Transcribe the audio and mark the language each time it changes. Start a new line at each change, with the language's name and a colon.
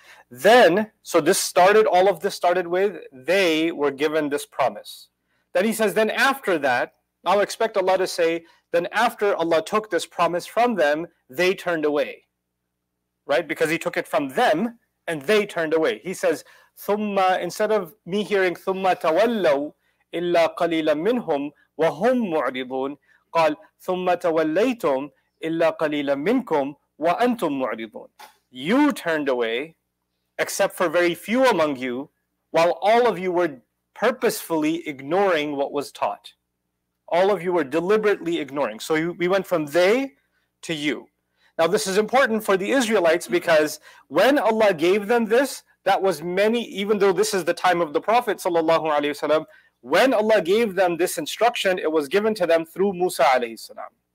English: Then, so this started, all of this started with, they were given this promise. Then he says, then after that, I'll expect Allah to say, then after Allah took this promise from them, they turned away. Right? Because he took it from them, and they turned away. He says,
Arabic: ثُمَّ,
English: instead of me hearing
Arabic: ثُمَّ تَوَلَّوْا إِلَّا قَلِيلًا مِّنْهُمْ وَهُمْ مُعْرِضُونَ قَالْ ثُمَّ تَوَلَّيْتُمْ إِلَّا قَلِيلًا مِّنْكُمْ وَأَنْتُمْ مُعْرِضُونَ.
English: You turned away, except for very few among you, while all of you were purposefully ignoring what was taught. All of you were deliberately ignoring. So we went from they to you. Now this is important for the Israelites, because when Allah gave them this, that was many, even though this is the time of the Prophet sallallahu alaihi wasallam, when Allah gave them this instruction, it was given to them through Musa alayhi salam.